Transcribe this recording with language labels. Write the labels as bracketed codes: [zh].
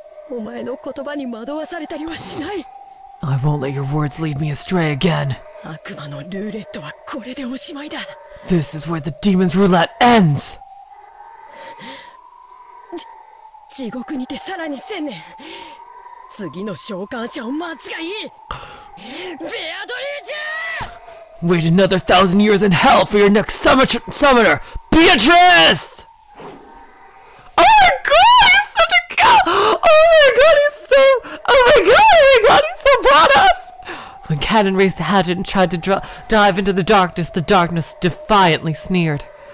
[ja] お前の言葉に惑わされたりはしない。 [en] I won't let your words lead me astray again. [ja] 悪魔のルーレットはこれでおしまいだ。 [en] This is where the demon's roulette ends. [ja] 地獄にてさらに千年。次の召喚者を待つがいい。ベアドリーチ。 [en] Wait another 1,000 years in hell for your next summoner, Beatrice. Oh my God! He's such a god! Oh my god, he's so badass! When Cannon raised the hatchet and tried to dive into the darkness defiantly sneered.